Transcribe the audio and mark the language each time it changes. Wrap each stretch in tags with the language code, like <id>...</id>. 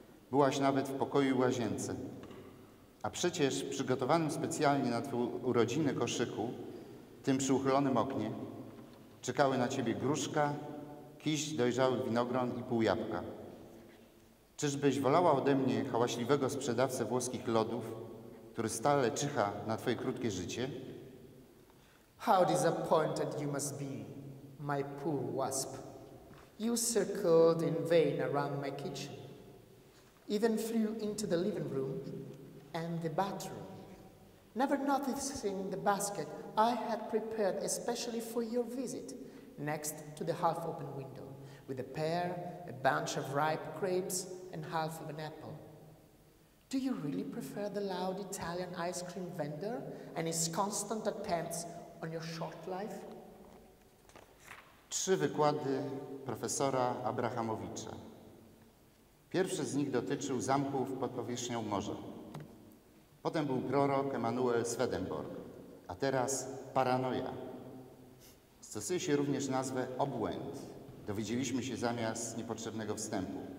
<pl>Byłaś nawet w pokoju i łazience. A przecież w przygotowanym specjalnie na twój urodziny koszyku, tym przy uchylonym oknie, czekały na ciebie gruszka, kiść dojrzałych winogron i pół jabłka. Czyżbyś wolała ode mnie hałaśliwego sprzedawcę włoskich lodów, który stale czyha na twoje krótkie życie?</pl> <en>How disappointed you must be, my poor wasp. You circled in vain around my kitchen, even flew into the living room and the bathroom, never noticing the basket I had prepared especially for your visit, next to the half-open window, with a pear, a bunch of ripe grapes, and half of an apple. Do you really prefer the loud Italian ice cream vendor and his constant attempts on your short life?</en> <pl>Trzy wykłady profesora Abrahamowicza. Pierwszy z nich dotyczył zamków pod powierzchnią morza. Potem był prorok Emanuel Swedenborg, a teraz paranoja. Stosuje się również nazwę obłęd. Dowiedzieliśmy się zamiast niepotrzebnego wstępu.</pl>